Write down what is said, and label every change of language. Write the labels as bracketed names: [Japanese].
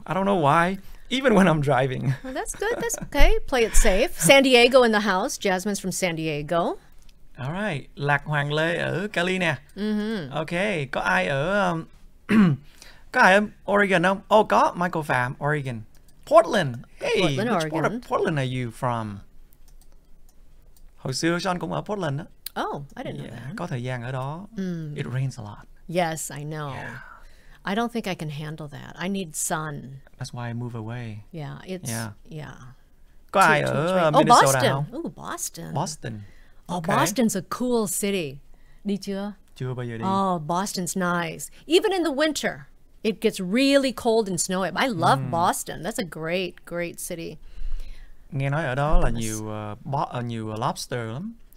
[English] I don't know why, even when I'm driving. Well, that's good. That's okay. Play it safe. San Diego in the house. Jasmine's from San Diego. [Vietnamese] Right, Lạc Hoàng Lê ở Cali nè. Okay, có ai ở có ai ở Oregon không? Oh, có Michael Phạm, Oregon. [English] Portland. Hey, Portland, which Oregon. Part of Portland are you from? [Vietnamese] Hồi xưa Sean cũng ở Portland đó. [English] Oh, I didn't know that. [Vietnamese] Có thời gian ở đó. [English] It rains a lot. Yes, I know. Yeah. I don't think I can handle that. I need sun. That's why I move away. Yeah, it's yeah. [Vietnamese] Có ai ở Minnesota không? Oh, Boston. [English] Boston. Oh, okay. Boston's a cool city. [Vietnamese] Đi chưa? Chưa bao giờ đi. [English] Oh, Boston's nice. Even in the winter, it gets really cold and snowy. I love Boston. That's a great, great city. [Vietnamese] Nghe nói ở đó là nhiều nhiều lobster lắm.